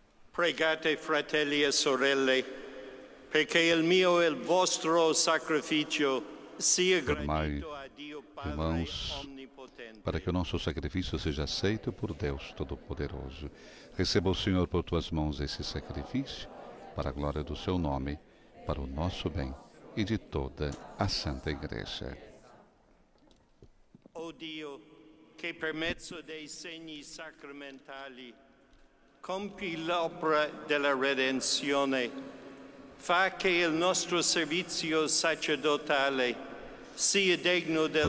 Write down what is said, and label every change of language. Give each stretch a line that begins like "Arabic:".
Italian: Pregate, fratelli e sorelle, perché il mio e il vostro sacrificio sia gradito a Dio Padre Onnipotente.
Portuguese: Para que o nosso sacrifício seja aceito por Deus Todo-Poderoso. Receba o Senhor por tuas mãos esse sacrifício, para a glória do seu nome, para o nosso bem e de toda a Santa Igreja.
Italian: Ó Dio, che per mezzo dei segni sacramentali compi l'opera della redenzione, fa che il nostro servizio sacerdotale sia degno del